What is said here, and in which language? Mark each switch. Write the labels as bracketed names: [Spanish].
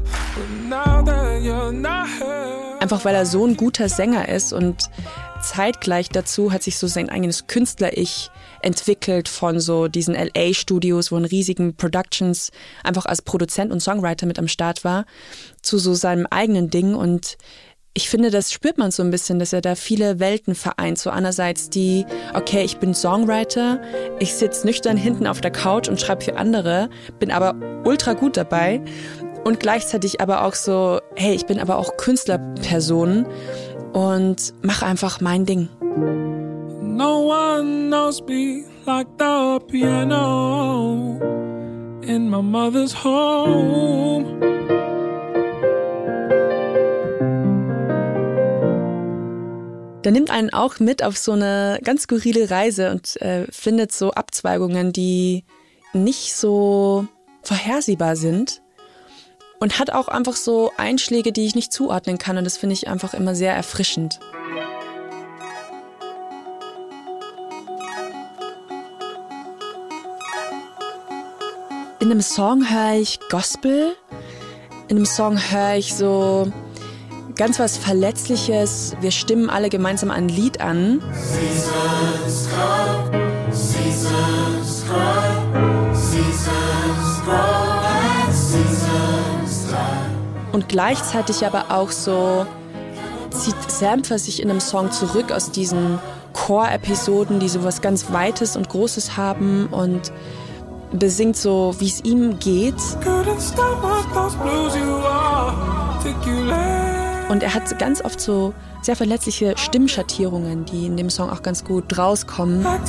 [English] But now that you're not here. [German] Einfach weil er so ein guter Sänger ist und zeitgleich dazu hat sich so sein eigenes Künstler-Ich entwickelt von so diesen LA-Studios, wo in riesigen Productions einfach als Produzent und Songwriter mit am Start war, zu so seinem eigenen Ding. Und ich finde, das spürt man so ein bisschen, dass er da viele Welten vereint. So einerseits die, okay, ich bin Songwriter, ich sitze nüchtern hinten auf der Couch und schreibe für andere, bin aber ultra gut dabei. Und gleichzeitig aber auch so, hey, ich bin aber auch Künstlerperson und mach einfach mein Ding. [English] No one knows me like the piano in my mother's home. [German] Da nimmt einen auch mit auf so eine ganz skurrile Reise und findet so Abzweigungen, die nicht so vorhersehbar sind und hat auch einfach so Einschläge, die ich nicht zuordnen kann und das finde ich einfach immer sehr erfrischend. In einem Song höre ich Gospel, in einem Song höre ich so ganz was Verletzliches, wir stimmen alle gemeinsam ein Lied an. [English] Seasons grow, seasons grow, seasons grow and seasons die. [German] Und gleichzeitig aber auch so zieht Samford sich in einem Song zurück aus diesen Chor-Episoden, die sowas ganz Weites und Großes haben und besingt so, wie es ihm geht. [English] Couldn't stop what those blues you are, think you left. [German] Und er hat ganz oft so sehr verletzliche Stimmschattierungen, die in dem Song auch ganz gut rauskommen.